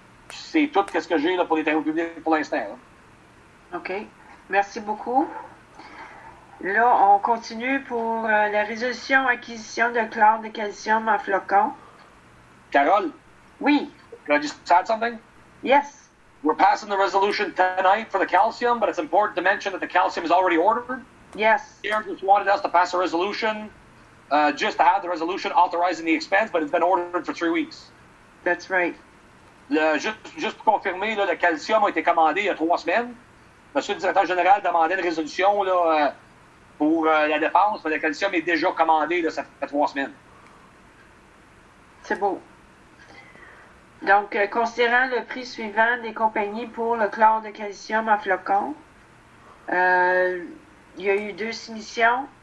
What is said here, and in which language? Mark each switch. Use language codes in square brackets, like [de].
[fr] C'est tout ce que j'ai là, pour les terrains publics pour l'instant. Là. OK. Merci beaucoup. Là, on continue pour la résolution acquisition de chlore de calcium en flocons. Carole? Oui. [en] Can I just add something? Yes. We're passing the resolution tonight for the calcium, but it's important to mention that the calcium is already ordered. Yes. Aaron just wanted us to pass a resolution just to have the resolution authorizing the expense, but it's been ordered for 3 weeks. That's right. [fr] Juste pour confirmer, là, le calcium a été commandé il y a trois semaines. Monsieur le directeur général demandait une résolution là, pour la dépense, mais le calcium est déjà commandé là, ça fait trois semaines. C'est beau. Donc, considérant le prix suivant des compagnies pour le chlore de calcium en flocons, il y a eu deux soumissions.